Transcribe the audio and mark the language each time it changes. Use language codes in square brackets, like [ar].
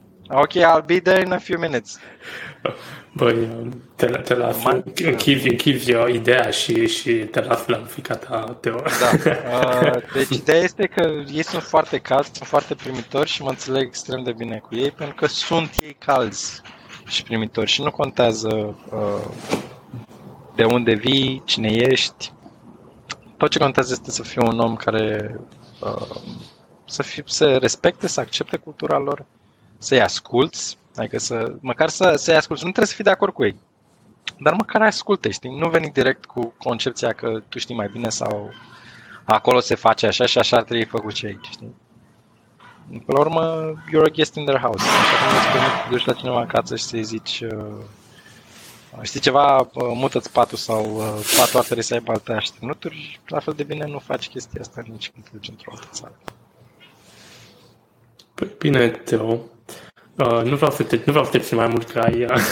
[en] Ok, I'll be there in a few minutes. [ro] Băi, te las, închizi ideea și te las la fica ta, Teo. Da. Deci ideea este că ei sunt foarte calzi, sunt foarte primitori și mă înțeleg extrem de bine cu ei, pentru că sunt ei calzi și primitori și nu contează de unde vii, cine ești, tot ce contează este să fie un om care să respecte, să accepte cultura lor, să-i asculți, adică să, măcar să-i asculți, nu trebuie să fii de acord cu ei, dar măcar asculte, știi? Nu veni direct cu concepția că tu știi mai bine sau acolo se face așa și așa trebuie făcut ce aici, știi? Pe la urmă, [en] you're a guest in their house. [ro] Așa cum îți permiți să duci la cineva acasă și să-i zici, știi ceva, mută-ți patul sau patul ar trebui să aibă alte așternuturi, la fel de bine nu faci chestia asta nici când duci într-o altă țară. Păi bine, Teo, nu vreau să te țin mai mult, că ai,